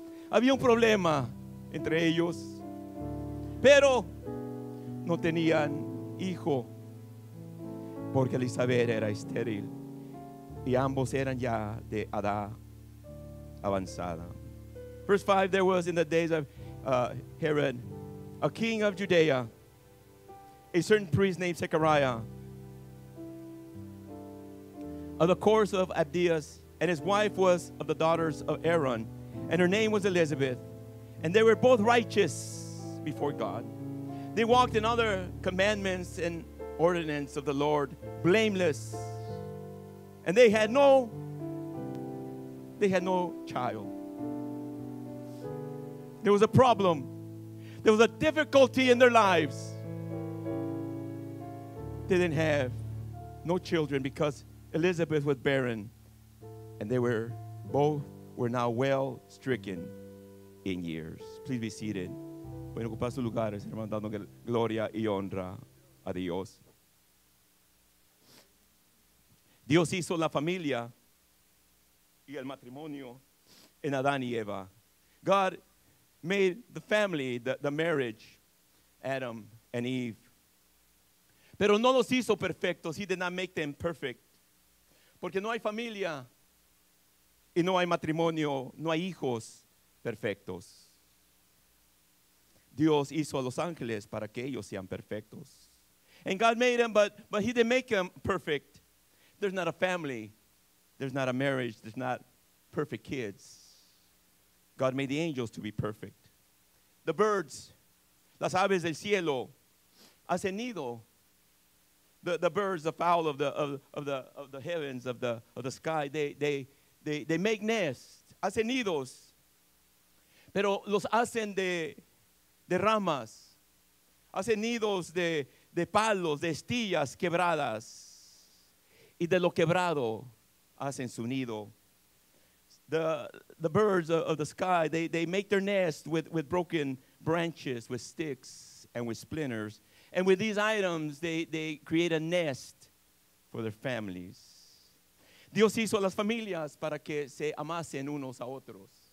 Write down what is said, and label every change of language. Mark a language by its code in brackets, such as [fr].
[es] Había un problema entre ellos. Pero no tenían hijo, porque Elizabeth era estéril y ambos eran ya de edad avanzada. [en] Verse 5, there was in the days of Herod, a king of Judea, a certain priest named Zechariah, of the course of Abdias, and his wife was of the daughters of Aaron, and her name was Elizabeth, and they were both righteous before God. They walked in other commandments and ordinance of the Lord, blameless. And they had no child. There was a problem. There was a difficulty in their lives. They didn't have no children because Elizabeth was barren. And they were both were now well stricken in years. Please be seated. [es] Pueden ocupar sus lugares, hermanos, dando gloria y honra a Dios. Dios hizo la familia y el matrimonio en Adán y Eva. [en] God made the family, the marriage, Adam and Eve. [es] Pero no los hizo perfectos. [en] He did not make them perfect. [es] Porque no hay familia y no hay matrimonio, no hay hijos perfectos. Dios hizo a los ángeles para que ellos sean perfectos. [en] And God made them, but he didn't make them perfect. There's not a family. There's not a marriage. There's not perfect kids. God made the angels to be perfect. The birds, [es] las aves del cielo, hacen nido. [en] The birds, the fowl of the heavens, of the sky, they make nests. [es] Hacen nidos. Pero los hacen de ramas, hacen nidos de palos, de estillas quebradas. y de lo quebrado hacen su nido. [en] The birds of the sky, they make their nest with broken branches, with sticks, and with splinters. And with these items, they create a nest for their families. [es] Dios hizo las familias para que se amasen unos a otros.